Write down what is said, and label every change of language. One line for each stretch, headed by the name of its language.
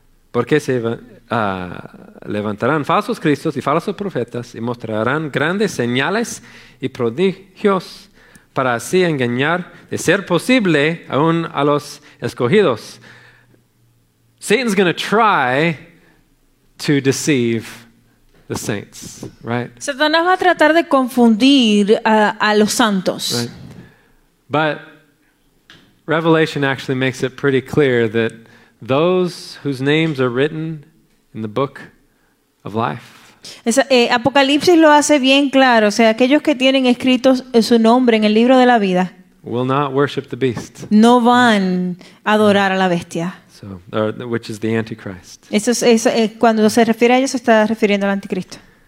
Spanish: Porque se va levantarán falsos cristos y falsos profetas y mostrarán grandes señales y prodigios para así engañar de ser posible aún a los escogidos.
English: Satan's going to try to deceive the saints, right?
Spanish: Satanás va a tratar de confundir a los santos.
English: Right? But Revelation actually makes it pretty clear that those whose names are written in the book of life.
Spanish: Apocalipsis lo hace bien claro, o sea, aquellos que tienen escrito su nombre en el libro de la vida.
English: Will not worship the beast.
Spanish: No van a adorar a la bestia.
English: So, which is the Antichrist.
Spanish: Cuando se refiere a ellos se está refiriendo al anticristo.